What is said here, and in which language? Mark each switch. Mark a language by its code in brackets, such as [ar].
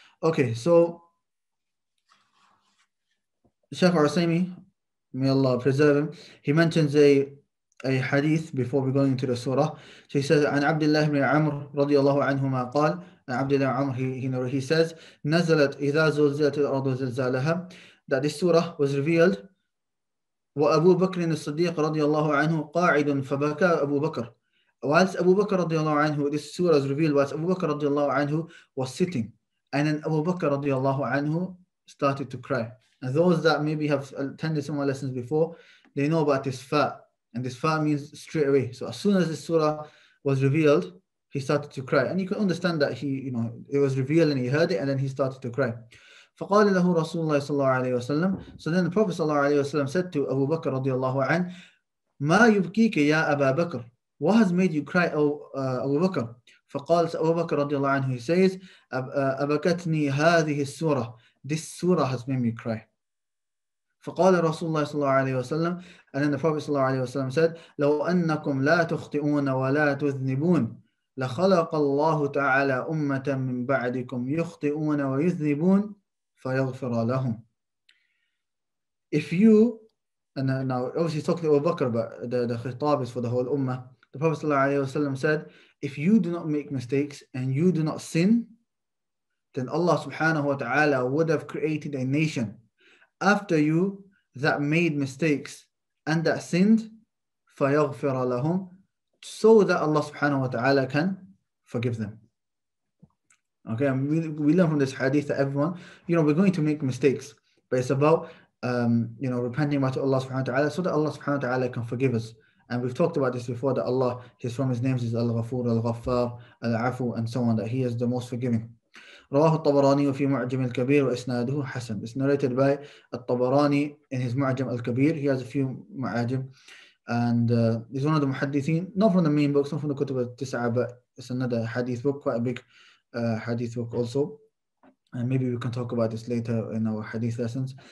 [en] Okay, so Shaykh Usaymi, may Allah preserve him, he mentions a hadith before we go into the surah. So he says, [ar] عن عبد الله بن عمر رضي الله عنهما قال, [en] Abdullah Amr, he says, [ar] نزلت إذا زلزلت الأرض زلزالها, [en] that this surah was revealed. [ar] وأبو بكر الصديق رضي الله عنه قاعد فبكى أبو بكر. [en] Whilst Abu Bakr [ar] رضي الله عنه, [en] this surah is revealed whilst Abu Bakr رضي الله عنه was sitting. And then Abu Bakr [ar] رضي الله عنه [en] started to cry. And those that maybe have attended some of my lessons before, they know about this fa. And this fa means straight away. So as soon as this surah was revealed, he started to cry. And you can understand that he, you know, it was revealed and he heard it and then he started to cry. [ar] فَقَالِ لَهُ رَسُولُ اللَّهِ صَلَّى اللَّهُ عَلَيْهِ وَسَلَّمُ. [en] So then the Prophet [ar] صلى الله عليه وسلم [en] said to Abu Bakr [ar] رضي الله عنه, مَا يُبْكِيكَ يَا أَبَا بَكْر. [en] What has made you cry, Abu Bakr? [ar] فَقَالَ Abu Bakr رضي الله عنه, [en] he says, [ar] أَبَكَتْنِي هَذِهِ السُّورَةِ. [en] This surah has made me cry. [ar] فَقَالَ رَسُولُ اللَّهِ صَلَّى اللَّهُ عَلَيْهِ وَسَلَّمُ. [en] And then the Prophet [ar] صلى الله عليه وسلم [en] said, [ar] لَوْ أَنَّكُمْ لَا تُخْطِئُونَ وَلَا تُذْنِبُونَ لَخَلَقَ اللَّهُ تَعَالَى أُمَّةً مِّن بَعْدِكُمْ يُخْطِئُونَ وَيُذْنِبُونَ فَيَغْفِرَ لَهُمْ. [en] If you, and now obviously he's talking to Abu Bakr, but the khitab is for the whole ummah. The Prophet ﷺ said, if you do not make mistakes and you do not sin, then Allah subhanahu wa ta'ala would have created a nation after you that made mistakes and that sinned, [ar] فَيَغْفِرَ لَهُمْ, [en] so that Allah subhanahu wa ta'ala can forgive them. Okay, and we learn from this hadith that everyone, you know, we're going to make mistakes, but it's about, you know, repenting about Allah subhanahu wa ta'ala so that Allah subhanahu wa ta'ala can forgive us. And we've talked about this before, that Allah, his from his names is Al-Ghafoor, Al-Ghaffar, Al-Afu, and so on, that he is the most forgiving. [ar] رواه الطبراني في معجم الكبير وإسناده حسن. [en] It's narrated by الطبراني in his معجم الكبير. He has a few معاجم. And he's one of the muhaddithin, not from the main books, not from the Kutub al-Tis'a, but it's another hadith book, quite a big hadith book also. And maybe we can talk about this later in our hadith lessons.